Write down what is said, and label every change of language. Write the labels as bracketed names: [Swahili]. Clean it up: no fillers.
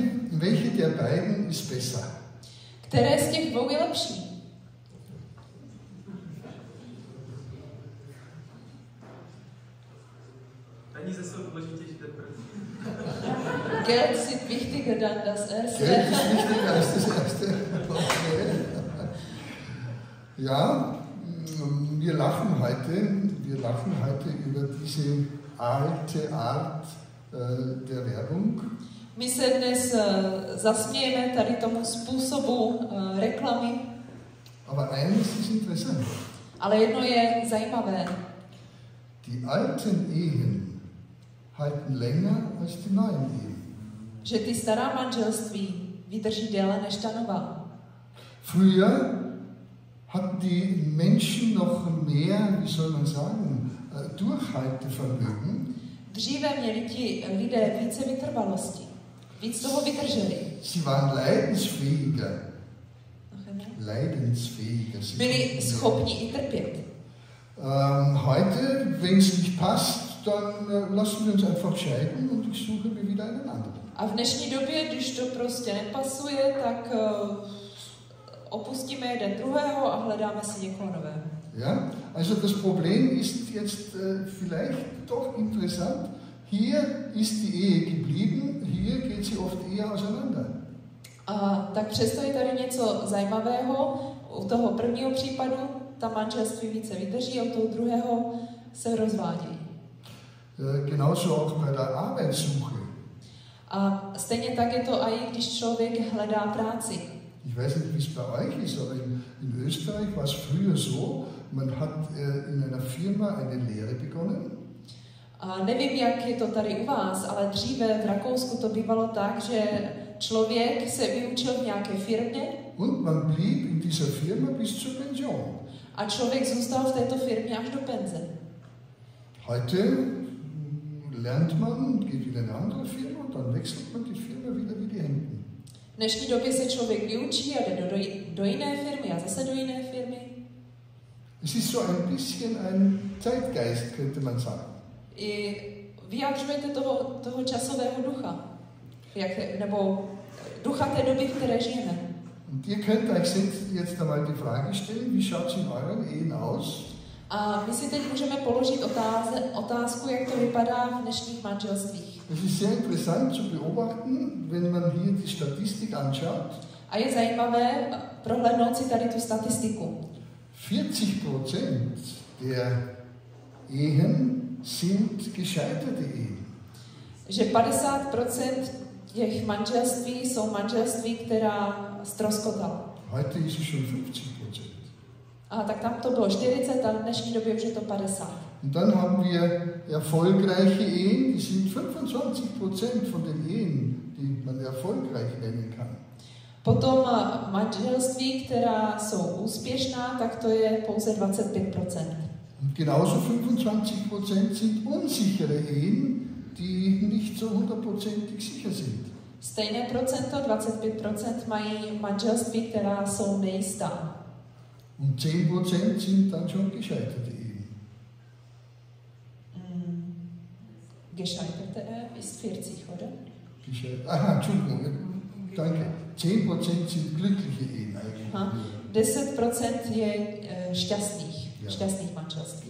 [German] Welche der beiden ist besser? [Czech] Které z těch dvou je lepší? [German] Geld ist wichtiger dann das erste. Geld ist wichtiger als das erste. Okay. Ja, wir lachen heute über diese alte Art der Werbung. [Czech] My se dnes zasmějeme tady tomu způsobu reklamy. [German] Aber eines ist interessant. [Czech] Ale jedno je zajímavé. [German] Die alten Ehen halten länger als die neuen Ehen. [Czech] Že ty stará manželství vydrží déle než ta nová. [German] Früher hatten die Menschen noch mehr, wie soll man sagen, Durchhaltevermögen. [Czech] Dříve měli ti lidé více vytrvalosti. Víc toho vydrželi. [German] Sie waren leidensfähiger. Leidensfähiger. [Czech] Byli schopni i trpět. [German] Heute, wenn es nicht passt, dann lassen wir uns einfach scheiden und ich suche mir wieder einen anderen. [Czech] A v dnešní době, když to prostě nepasuje, tak opustíme jeden druhého a hledáme si někoho nového. [German] Ja, also das Problem ist jetzt vielleicht doch interessant. Hier ist die Ehe geblieben, hier geht sie oft eher auseinander. [Czech] A tak přesto je tady něco zajímavého. U toho prvního případu ta manželství více vydrží, a u toho druhého se rozvádí. [German] Genauso auch bei der Arbeitssuche. [Czech] A stejně tak je to i když člověk hledá práci. [German] Ich weiß nicht, wie es bei euch ist, aber in Österreich war es früher so, man hat in einer Firma eine Lehre begonnen. [Czech] A nevím, jak je to tady u vás, ale dříve v Rakousku to bývalo tak, že člověk se vyučil v nějaké firmě. [German] Und man blieb in dieser Firma bis zur Pension. [Czech] A člověk zůstal v této firmě až do penze. [German] Heute lernt man, geht wieder in eine andere Firma und dann wechselt man die Firma wieder wie die Hemden. [Czech] V dnešní době se člověk vyučí a jde do jiné firmy a zase do jiné firmy. [German] Es ist so ein bisschen ein Zeitgeist, könnte man sagen. [Czech] I vyjadřujete toho časového ducha, nebo ducha té doby, v které žijeme. [German] Und ihr könnt euch jetzt einmal die Frage stellen, wie schaut es in euren Ehen aus? [Czech] A my si teď můžeme položit otázku, jak to vypadá v dnešních manželstvích. [German] Es ist sehr interessant zu beobachten, wenn man hier die Statistik anschaut. [Czech] A je zajímavé prohlédnout si tady tu statistiku. [German] 40% der Ehen sind gescheiterte Ehen. [Czech] Že 50% těch manželství jsou manželství, která ztroskotala. [German] Heute ist es schon 50%. [Czech] A tak tam to bylo 40, a v dnešní době už je to 50. [German] Und dann haben wir erfolgreiche Ehen, die sind 25% von den Ehen, die man erfolgreich nennen kann. [Czech] Potom manželství, která jsou úspěšná, tak to je pouze 25%. [German] Und genauso 25% sind unsichere Ehen, die nicht so 100%ig sicher sind. [Czech] Stejné procento, 25%, mají manželství, která jsou nejistá. [German] Und 10% sind dann schon gescheiterte Ehen. Gescheiterte Ehe ist 40, oder? Entschuldigung. Danke. 10% sind glückliche Ehen eigentlich. [Czech] 10% je šťastných, šťastných manželství.